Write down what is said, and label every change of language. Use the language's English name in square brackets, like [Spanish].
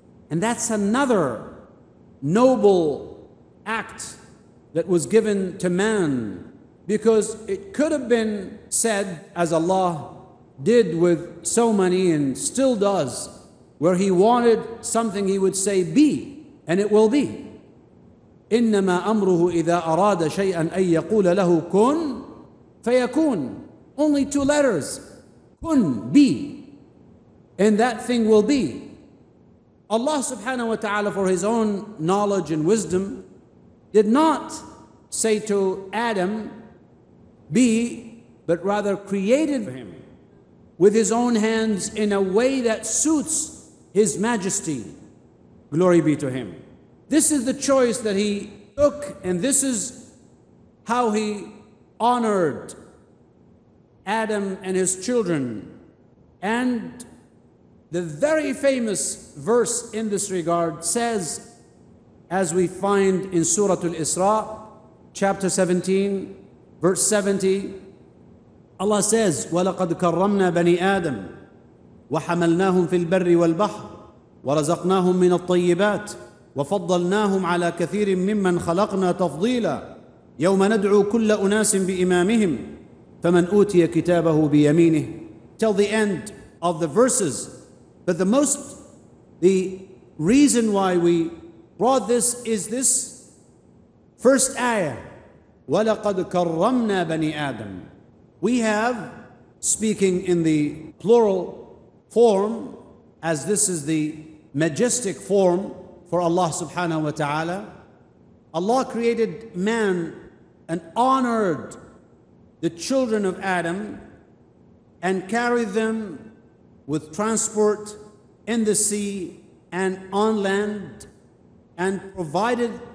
[English] And that's another noble act that was given to man, because it could have been said, as Allah did with so many and still does, where he wanted something, he would say, be, and it will be. [Arabic] إِنَّمَا أَمْرُهُ إِذَا أَرَادَ شَيْئًا أَن يَقُولَ لَهُ كُنْ فَيَكُونَ. [English] Only two letters, كُنْ, be, and that thing will be. Allah subhanahu wa ta'ala, for his own knowledge and wisdom, did not say to Adam, be, but rather created him with his own hands in a way that suits his majesty. Glory be to him. This is the choice that he took, and this is how he honored Adam and his children. And the very famous verse in this regard says, as we find in Surah Al-Isra, chapter 17, Verse 70, Allah says, [Arabic] وَلَقَدْ كَرَّمْنَا بَنِي آدَمْ وَحَمَلْنَاهُمْ فِي الْبَرِّ وَالْبَحْرِ وَرَزَقْنَاهُمْ مِنَ الطَّيِّبَاتِ وَفَضَّلْنَاهُمْ عَلَى كَثِيرٍ مِّمَّنْ خَلَقْنَا تَفْضِيلًا يَوْمَ نَدْعُو كُلَّ أُنَاسٍ بِإِمَامِهِمْ فَمَنْ أُوتِيَ كِتَابَهُ بِيَمِينِهِ. [English] Till the end of the verses. But the reason why we brought this is this first ayah. [Arabic] وَلَقَدْ كَرَّمْنَا بَنِي آدَمْ. [English] We have, speaking in the plural form, as this is the majestic form for Allah subhanahu wa ta'ala, Allah created man and honored the children of Adam and carried them with transport in the sea and on land and provided